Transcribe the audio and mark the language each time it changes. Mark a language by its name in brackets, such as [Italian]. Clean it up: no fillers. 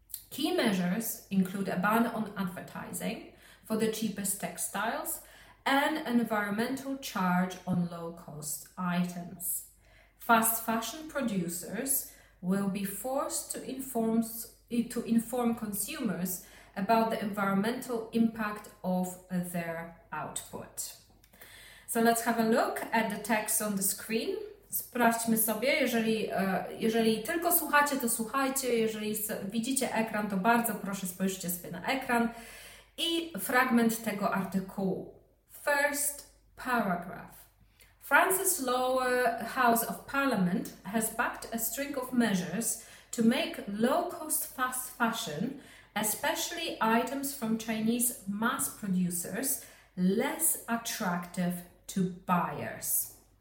[English] Key measures include a ban on advertising for the cheapest textiles and an environmental charge on low-cost items. Fast fashion producers will be forced to inform consumers about the environmental impact of their output. So let's have a look at the text on the screen. [Polish] Sprawdźmy sobie, jeżeli tylko słuchacie, to słuchajcie, jeżeli widzicie ekran, to bardzo proszę spojrzeć sobie na ekran i fragment tego artykułu. [English] First paragraph. France's lower house of parliament has backed a string of measures to make low-cost fast fashion, especially items from Chinese mass producers, less attractive to buyers.